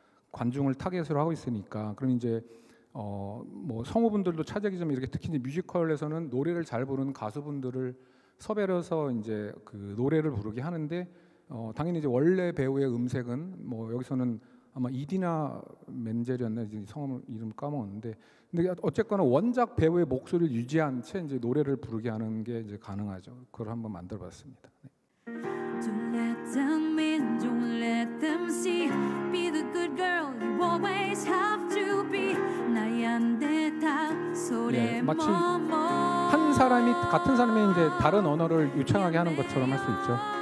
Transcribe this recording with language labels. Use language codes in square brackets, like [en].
[ko] 관중을 타겟으로 하고 있으니까 그럼 이제 뭐 성우분들도 찾아기 좀 이렇게 특히 이제 뮤지컬에서는 노래를 잘 부르는 가수분들을 섭외해서 이제 그 노래를 부르게 하는데 당연히 이제 원래 배우의 음색은 뭐 여기서는 아마 이디나 맨젤이었나 이제 성함 이름 까먹었는데 근데 어쨌거나 원작 배우의 목소리를 유지한 채 이제 노래를 부르게 하는 게 이제 가능하죠. 그걸 한번 만들어 봤습니다. 네. [en] Don't let them in, don't let them see. Be the good girl you always have to be. 나이한테 다 소리 머머. [ko] 한 사람이 같은 사람이 이제 다른 언어를 유창하게 하는 것처럼 할 수 있죠.